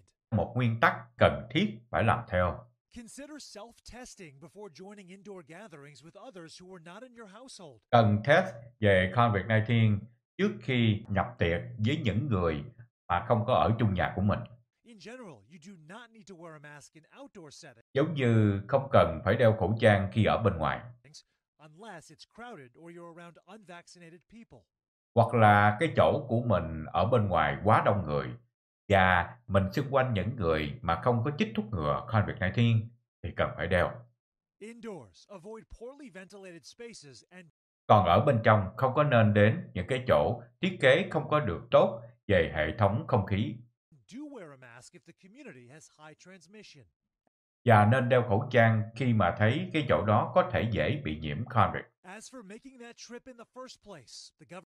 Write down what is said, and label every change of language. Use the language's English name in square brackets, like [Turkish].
[Vietnamese] Một nguyên tắc cần thiết phải làm theo. [English] Consider self-testing before joining indoor gatherings with others who are not in your household. [Vietnamese] Cần test về COVID-19 trước khi nhập tiệc với những người mà không có ở chung nhà của mình. [English] In general, you do not need to wear a mask in outdoor settings. [Vietnamese] Giống như không cần phải đeo khẩu trang khi ở bên ngoài. [English] Unless it's crowded or you're around unvaccinated people. [Vietnamese] Hoặc là cái chỗ của mình ở bên ngoài quá đông người. Và mình xung quanh những người mà không có chích thuốc ngừa COVID-19 thì cần phải đeo. [English] Indoors, avoid poorly ventilated spaces and... [Vietnamese] Còn ở bên trong không có nên đến những cái chỗ thiết kế không có được tốt về hệ thống không khí. [English] Do wear a mask if the community has high transmission. [Vietnamese] Và nên đeo khẩu trang khi mà thấy cái chỗ đó có thể dễ bị nhiễm COVID. [English] As for making that trip in the first place, the government...